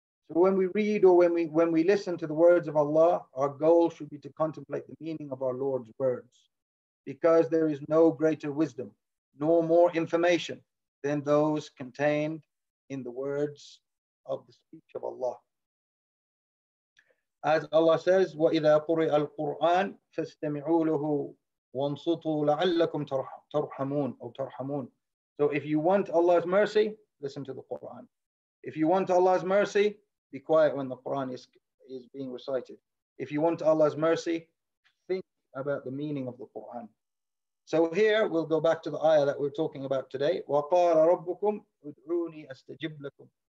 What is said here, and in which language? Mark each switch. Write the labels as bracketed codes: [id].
[en] So when we read or when we listen to the words of Allah, our goal should be to contemplate the meaning of our Lord's words, because there is no greater wisdom nor more information than those contained in the words of the speech of Allah. As Allah says, [ar] وَإِذَا قُرِئَ الْقُرْآنُ فَاسْتَمِعُوا لَهُ وَانْصُتُوا لَعَلَّكُمْ تَرْحَمُونَ. [en] So if you want Allah's mercy, listen to the Quran. If you want Allah's mercy, be quiet when the Quran is being recited. If you want Allah's mercy, think about the meaning of the Quran. So here we'll go back to the ayah that we're talking about today. [ar] وَقَالَ رَبُّكُمْ اُدْعُونِي أَسْتَجِبْ لَكُمْ.